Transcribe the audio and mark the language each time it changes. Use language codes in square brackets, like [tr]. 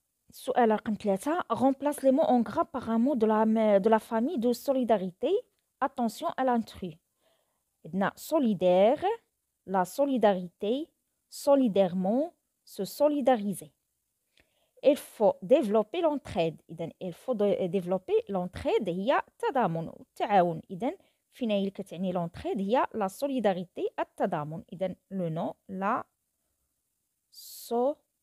[ar] سؤال رقم 3، [fr] remplace les mots en gras par un mot de la famille de solidarité. Attention à l'intrus. عندنا solidaire, la solidarité, solidairement, se solidariser. Il faut développer l'entraide. إذن il faut développer l'entraide [ar] هي التضامن، التعاون. إذن فينا اللي كتعني l'entraide هي la solidarité, التضامن. [fr] إذن le nom la solidarité.